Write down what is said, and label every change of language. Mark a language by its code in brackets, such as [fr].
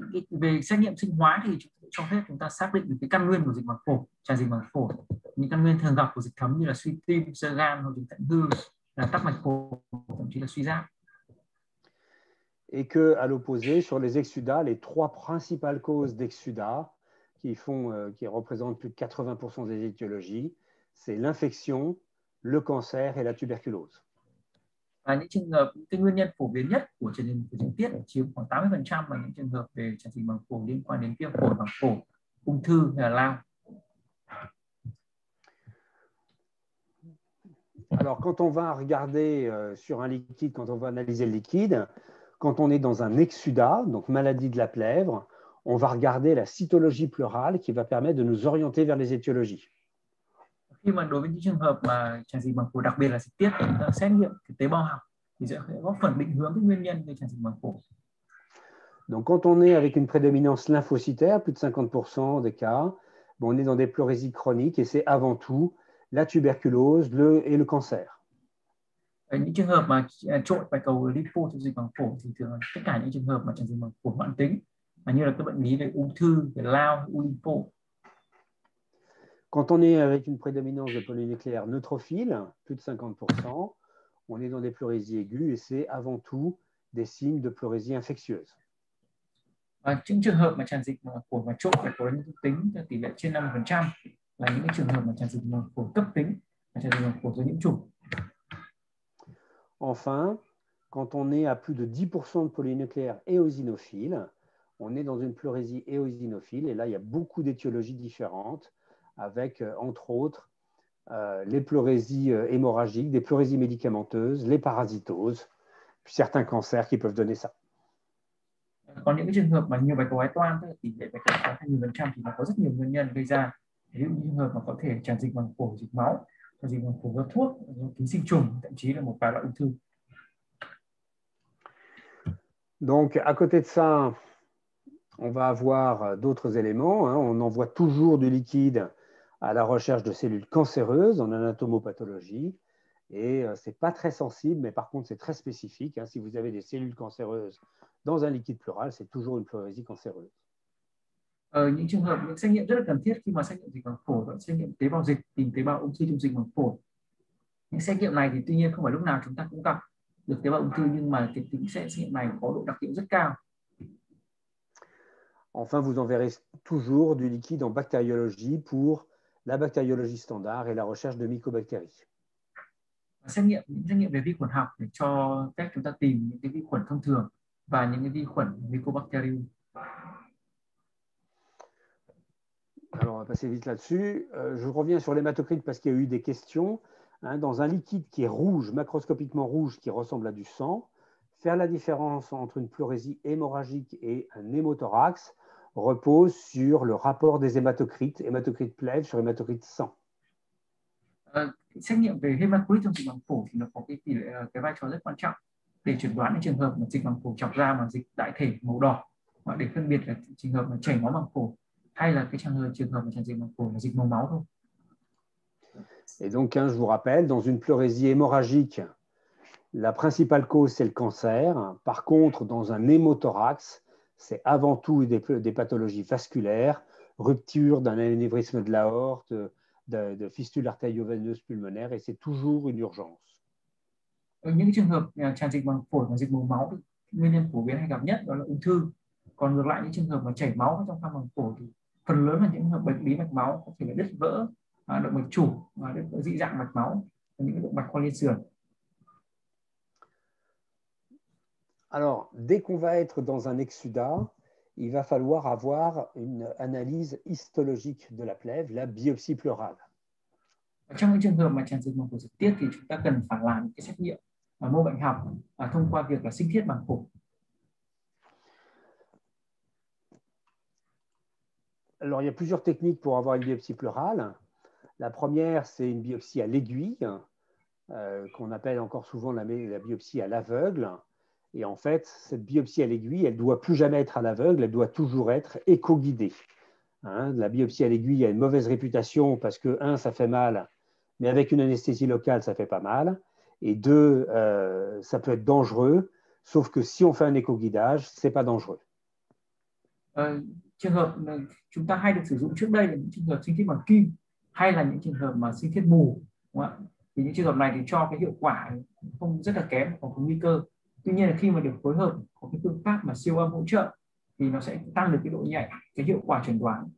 [vi] Về xét nghiệm sinh hóa thì cho phép chúng ta xác định được cái căn nguyên của dịch màng phổi, tràn dịch màng phổi, những căn nguyên thường gặp của dịch thấm như là suy tim, xơ gan hoặc dịch thận hư, là tắc mạch phổi, thậm chí là suy giáp. [fr] Et que, à l'opposé, sur les exsudats, les trois principales causes d'exsudats qui représentent plus de 80% des étiologies, c'est l'infection, le cancer et la tuberculose. [vi] Và những trường hợp cái nguyên nhân phổ biến nhất của tràn dịch màng phổi chiếm khoảng 80% là những trường hợp về tràn dịch màng phổi liên quan đến viêm phổi màng phổi, ung thư hay là [fr] Alors, quand on va regarder sur un liquide, quand on va analyser le liquide, quand on est dans un exsudat, donc maladie de la plèvre, on va regarder la cytologie pleurale qui va permettre de nous orienter vers les étiologies. [vi] khi mà đối với những trường hợp mà tràn dịch màng phổi đặc biệt là dịch tiết chúng ta xét nghiệm cái tế bào học thì sẽ góp phần định hướng cái nguyên nhân gây tràn dịch màng phổi. [fr] Donc, quand on est avec une prédominance lymphocytaire, plus de 50% des cas, bon, on est dans des pleurésies chroniques et c'est avant tout la tuberculose, et le cancer. [vi] Những trường hợp mà trội bạch cầu lympho trong dịch màng phổi thì thường tất cả những trường hợp mà tràn dịch màng phổi mãn tính mà như là các bệnh lý về ung thư, về lao, u lympho. [fr] Quand on est avec une prédominance de polynucléaires neutrophiles, plus de 50%, on est dans des pleurésies aiguës et c'est avant tout des signes de pleurésie infectieuse. [vi] Và những trường hợp mà tràn dịch màng phổi mà trội bạch cầu lympho tính tỷ lệ trên 50% là những cái trường hợp mà tràn dịch màng phổi cấp tính và tràn dịch màng phổi do nhiễm trùng. [fr] Enfin, quand on est à plus de 10% de polynucléaires éosinophiles, on est dans une pleurésie éosinophile et là, il y a beaucoup d'étiologies différentes. Avec entre autres les pleurésies hémorragiques, des pleurésies médicamenteuses, les parasitoses, puis certains cancers qui peuvent donner ça. [vi] Còn những cái trường hợp mà nhiều bạch cầu toan tức là tỷ lệ bạch cầu toan 20% thì nó có rất nhiều nguyên nhân gây ra. Ví dụ những trường hợp mà có thể tràn dịch màng phổi dịch máu, tràn dịch màng phổi do thuốc, ký sinh trùng, thậm chí là một vài loại ung thư. [fr] Donc, à côté de ça, on va avoir d'autres éléments. Hein. On envoie toujours du liquide à la recherche de cellules cancéreuses en anatomopathologie. Et ce n'est pas très sensible, mais par contre, c'est très spécifique. Hein. Si vous avez des cellules cancéreuses dans un liquide pleural, c'est toujours une pleurésie cancéreuse. [vi] Những trường hợp những xét nghiệm rất là cần thiết khi mà xét nghiệm dịch màng phổi và xét nghiệm tế bào dịch tìm tế bào ung thư trong dịch màng phổi. Những xét nghiệm này thì tuy nhiên không phải lúc nào chúng ta cũng gặp được tế bào ung thư nhưng mà cái tính xét nghiệm này có độ đặc hiệu rất cao. [fr] Enfin, vous enverrez toujours du liquide en bactériologie pour la bactériologie standard et la recherche de mycobactéries. [vi] Xét nghiệm về vi khuẩn học để cho cách chúng ta tìm những cái vi khuẩn thông thường và những cái vi khuẩn Mycobacterium. [fr] Alors, on va passer vite là-dessus. Je reviens sur l'hématocrite parce qu'il y a eu des questions. Hein, dans un liquide qui est rouge, macroscopiquement rouge, qui ressemble à du sang, faire la différence entre une pleurésie hémorragique et un hémothorax. repose sur le rapport des hématocrites plèves sur hématocrite sang. [vi] Xét nghiệm về hematocrit trong dịch màng phổi thì nó có cái tỷ lệ, cái vai trò rất quan trọng để chẩn đoán những trường hợp mà dịch màng phổi trọc ra mà dịch đại thể màu đỏ, và để phân biệt là trường hợp mà chảy máu màng phổi hay là cái trường hợp mà tràn dịch màng phổi là dịch màu máu thôi. [fr] Et donc, hein, je vous rappelle, dans une pleurésie hémorragique, la principale cause, c'est le cancer. Par contre, dans un hémothorax, c'est avant tout des pathologies vasculaires, rupture d'un anévrisme de l'aorte, de fistule artério-veineuse pulmonaire, et c'est toujours une urgence. [vi] Ở những trường hợp tràn dịch màng phổi và dịch màu máu, nguyên nhân phổ biến hay gặp nhất đó là ung thư. Còn ngược lại, những trường hợp mà chảy máu trong khoang màng phổi thì phần lớn là những trường hợp bệnh lý mạch máu, có thể là đứt vỡ động mạch chủ và đứt vỡ dị dạng mạch máu, những động mạch khoang liên sườn. [fr] Alors, dès qu'on va être dans un exsudat, il va falloir avoir une analyse histologique de la plèvre, la biopsie pleurale. [vi] Trong những trường hợp mà tràn dịch màng phổi trực tiếp thì chúng ta cần phải làm những cái xét nghiệm mô bệnh học thông qua việc là sinh thiết màng phổi. [fr] Alors, il y a plusieurs techniques pour avoir une biopsie pleurale. La première, c'est une biopsie à l'aiguille, qu'on appelle encore souvent la biopsie à l'aveugle. Et en fait, cette biopsie à l'aiguille, elle ne doit plus jamais être à l'aveugle, elle doit toujours être éco-guidée. Hein, la biopsie à l'aiguille a une mauvaise réputation parce que, un, ça fait mal, mais avec une anesthésie locale, ça fait pas mal. Et deux, ça peut être dangereux, sauf que si on fait un éco-guidage, ce n'est pas dangereux. [vi] Trường hợp chúng ta hay được sử dụng trước đây là những trường hợp sinh thiết bằng kim hay là những trường hợp mà sinh thiết mù, đúng không ạ? Thì những trường hợp này thì cho cái hiệu quả không rất là kém, có nguy cơ. Tuy nhiên là khi mà được phối hợp có cái phương pháp mà siêu âm hỗ trợ thì nó sẽ tăng được cái độ nhạy, cái hiệu quả chẩn đoán.